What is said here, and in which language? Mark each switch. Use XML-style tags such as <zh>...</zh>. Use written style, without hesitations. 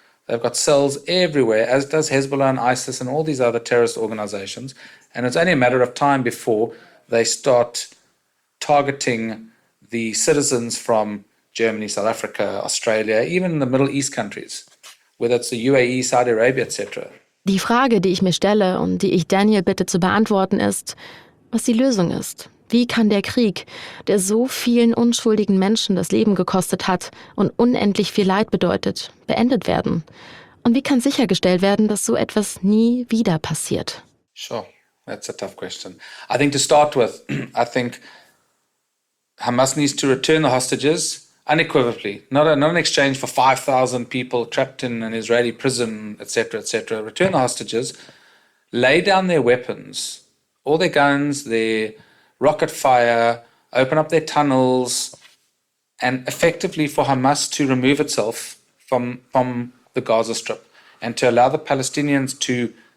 <en>They've got cells everywhere, as does Hezbollah and ISIS and all these other terrorist organizations. And it's only a matter of time before they start targeting the citizens from Germany, South Africa, Australia, even the Middle East countries, whether it's the UAE, Saudi Arabia, etc.</en> <de>Die Frage, die ich mir stelle und die ich Daniel bitte zu beantworten, ist, was die Lösung ist. Wie kann der Krieg, der so vielen unschuldigen Menschen das Leben gekostet hat und unendlich viel Leid bedeutet, beendet werden? Und wie kann sichergestellt werden, dass so etwas nie wieder passiert?</de> <en>Sure, that's a tough question. I think to start with, I think Hamas needs to return the hostages unequivocally, not an exchange for 5,000 people trapped in an Israeli prison, etc., etc. Return the hostages, lay down their weapons, all their guns, their rocket fire, open up their tunnels, and effectively for Hamas to remove itself from the Gaza Strip and to allow the Palestinians to</en>